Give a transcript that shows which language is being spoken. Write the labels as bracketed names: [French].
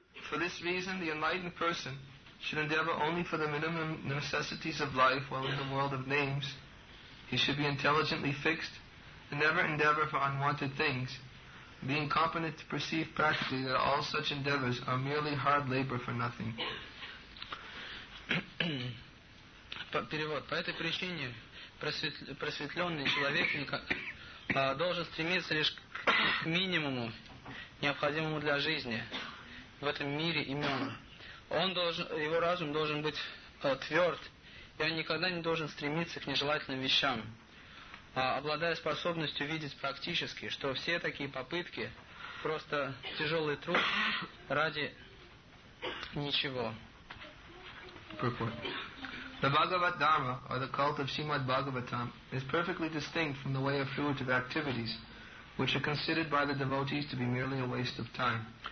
[English] For this reason, the enlightened person should endeavor only for the minimum necessities of life while in the world of names. He should be intelligently fixed and never endeavor for unwanted things, being competent to perceive practically that all such endeavors are merely hard labor for nothing. [Russian] Перевод. По этой причине просветленный человек должен стремиться лишь к минимуму, необходимому для жизни в этом мире имен. Он должен, его разум должен быть тверд, и он никогда не должен стремиться к нежелательным вещам, обладая способностью видеть практически, что все такие попытки просто тяжелый труд ради ничего. [English] Purport. The Bhagavad Dharma, or the cult of Srimad Bhagavatam, is perfectly distinct from the way of fruitive activities, which are considered by the devotees to be merely a waste of time.